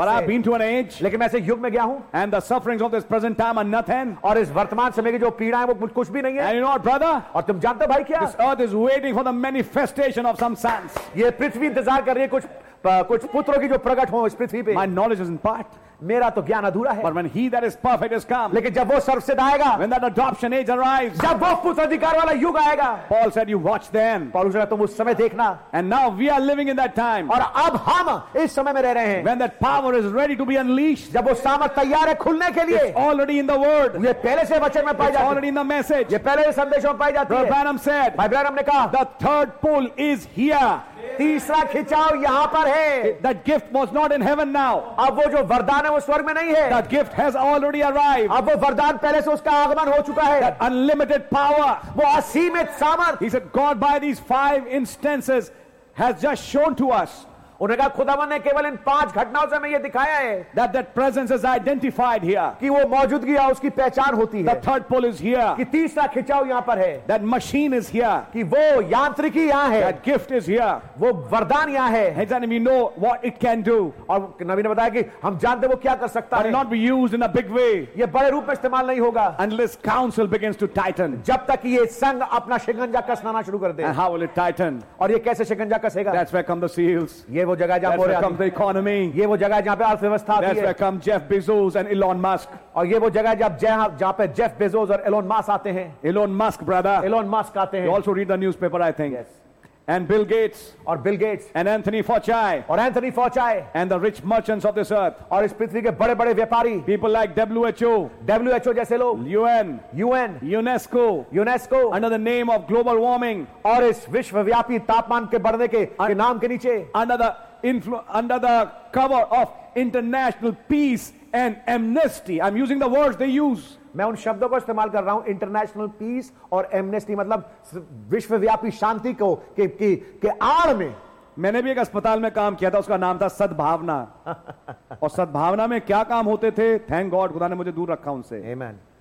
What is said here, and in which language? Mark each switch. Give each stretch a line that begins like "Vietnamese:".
English: but I have been to an age,
Hindi: लेकिन मैं ऐसे युग में गया हूं.
English: and the sufferings of this present time are nothing,
Hindi: और इस वर्तमान समय की जो पीड़ा है वो कुछ भी नहीं है.
English: and you know what brother,
Hindi: और तुम जानते हो भाई क्या,
English: this earth is waiting for the manifestation of some sons,
Hindi: ये पृथ्वी इंतजार कर रही है कुछ पुत्रों की जो प्रकट हो इस पृथ्वी पे.
English: my knowledge is in part,
Hindi: मेरा तो ज्ञान अधूरा है.
English: But when he that is perfect is come,
Hindi: लेकिन जब वो सर्वसिद्ध आएगा,
English: when that adoption age arrives,
Hindi: जब वो पुत्र अधिकार वाला युग आएगा,
English: Paul said you watch then,
Hindi: पौलुस ने तुम उस समय देखना.
English: And now we are living in that time,
Hindi: और अब हम इस समय में रह रहे हैं.
English: When that power is ready to be unleashed,
Hindi: जब वो सामर्थ तैयार है खुलने के लिए.
English: It's already in the word,
Hindi: ये पहले से वचन में पाई जाती है.
English: It's already in the message,
Hindi: ये पहले से संदेशों में पाई जाती है.
English: Branham said,
Hindi: भाई ब्रैनम ने कहा,
English: the third pull is here,
Hindi: तीसरा खिंचाव यहाँ पर है.
English: That gift was not in heaven now,
Hindi: अब वो जो वरदान है वो स्वर्ग में नहीं है.
English: That gift has already arrived,
Hindi: अब वो वरदान पहले से उसका आगमन हो चुका है.
English: That unlimited power,
Hindi: वो असीमित सामर्थ्य.
English: He said, God by these five instances has just shown to us,
Hindi: उन्हें कहा खुदावन ने केवल इन पांच घटनाओं से हमें ये दिखाया है.
English: That presence is identified here,
Hindi: कि वो मौजूदगी है उसकी पहचान होती है.
English: The third pull is here,
Hindi: कि तीसरा खिंचाव यहाँ पर है.
English: That machine is here,
Hindi: कि वो यांत्रिकी यहाँ है.
English: That gift is here,
Hindi: वो वरदान यहाँ है.
English: And then we know what it can do,
Hindi: और नबी ने बताया कि हम जानते वो क्या कर सकता है.
English: Not be used in a big way,
Hindi: ये बड़े रूप में इस्तेमाल नहीं होगा.
English: Unless council begins to tighten,
Hindi: जब तक ये संघ अपना शिकंजा कसना शुरू कर दे.
English: And how will it tighten,
Hindi: और ये कैसे शिकंजा कसेगा.
English: That's where come the seals,
Hindi: वो जगह जहां पर
English: come the economy,
Hindi: ये वो जगह जहां पे अर्थव्यवस्था आती है.
English: come Jeff Bezos and Elon Musk,
Hindi: और ये वो जगह जहां पे जेफ बेजोस और इलोन मस्क आते हैं.
English: Elon Musk brother,
Hindi: Elon Musk आते हैं.
English: You also read the newspaper I think. Yes. And Bill Gates,
Hindi: और Bill Gates,
English: and Anthony Fauci,
Hindi: और Anthony Fauci,
English: and the rich merchants of this earth,
Hindi: और इस पृथ्वी के बड़े-बड़े व्यापारी,
English: people like WHO
Hindi: जैसे लोग,
English: UN, UNESCO, under the name of global warming,
Hindi: और इस विश्वव्यापी तापमान के बढ़ने के नाम के नीचे,
English: under the cover of international peace and amnesty, I'm using the words they use.
Hindi: मैं उन शब्दों को इस्तेमाल कर रहा हूं,
English: international peace
Hindi: और
English: amnesty,
Hindi: मतलब विश्वव्यापी शांति को के आड़ में. मैंने भी एक अस्पताल में काम किया था, उसका नाम था सद्भावना. और सद्भावना में क्या काम होते थे,
English: thank God
Hindi: खुदा ने मुझे दूर रखा उनसे. आमीन.